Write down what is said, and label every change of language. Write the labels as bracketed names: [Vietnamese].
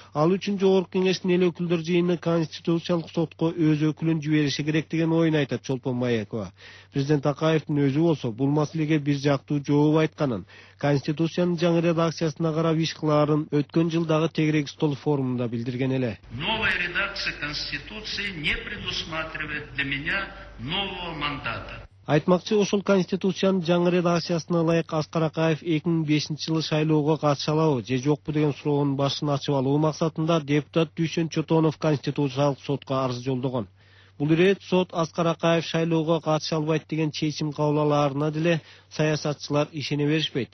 [Kyrgyz] Ал үчүн Жогорку Кеңештин эл өкүлдөр жыйыны Конституциялык сотко өз өкүлүн жибериши керек деген оюн айтат Чолпон Байекова. Президент Акаевдин өзү болсо бул маселеге бир жактуу жооп айтканын, Конституциянын жаңы редакциясына карап иш кылаарын өткөн жылдагы тегерек стол форумунда билдирген эле. [Russian] Новая редакция Конституции не предусматривает для меня нового мандата. [Kyrgyz] Айтмакчы, ошол конституциянын жаңы редакциясына ылайык Аскар Акаев 2005-жылы шайлоого катыша алабы же жокпу деген суроонун башын ачып алуу максатында депутат Дүйшөн Чотонов Конституциялык сотко арыз жолдогон. Бул ирет сот Аскар Акаев шайлоого катыша албайт деген чечим кабыл алаарына деле саясатчылар ишене беришпейт.